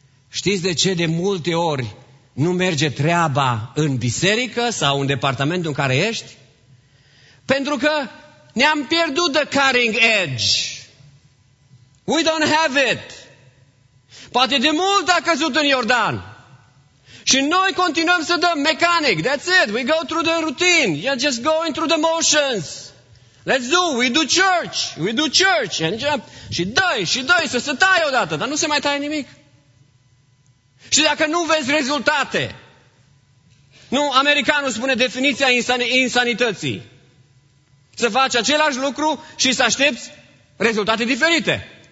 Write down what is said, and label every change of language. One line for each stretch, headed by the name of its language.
Romanian: Știți de ce de multe ori nu merge treaba în biserică sau în departamentul în care ești? Pentru că ne-am pierdut
English: the cutting edge. We don't have it.
Romanian: Poate de mult a căzut în Iordan. Și noi continuăm să dăm mecanic.
English: That's it. We go through the routine. You're just going through the motions. Let's do. We do church. We do church.
Romanian: Și dă-i, și dă-i să se taie odată. Dar nu se mai taie nimic. Și dacă nu vezi rezultate. Nu, americanul spune definiția insanității. Să faci același lucru și să aștepți rezultate diferite.